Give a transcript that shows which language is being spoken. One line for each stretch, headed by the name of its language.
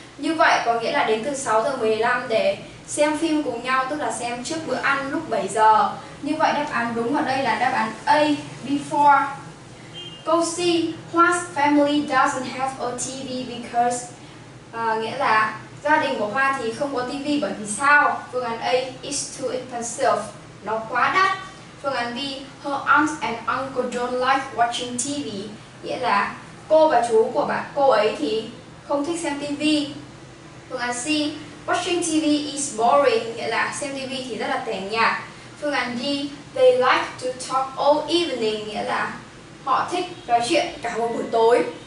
Vietnamese: Như vậy có nghĩa là đến từ 6 giờ 15 để xem phim cùng nhau, tức là xem trước bữa ăn lúc 7 giờ. Như vậy đáp án đúng ở đây là đáp án A, before. Câu C,
English: Hoa's family doesn't have a TV because
Vietnamese: nghĩa là gia đình của Hoa thì không có TV bởi vì sao? Phương án A,
English: it's too expensive,
Vietnamese: nó quá đắt. Phương án B,
English: her aunt and uncle don't like watching TV,
Vietnamese: nghĩa là cô và chú của bạn cô ấy thì không thích xem TV. Phương án C,
English: watching TV is boring,
Vietnamese: nghĩa là xem TV thì rất là tẻ nhạt. Phương án D,
English: they like to talk all evening,
Vietnamese: nghĩa là họ thích nói chuyện cả một buổi tối.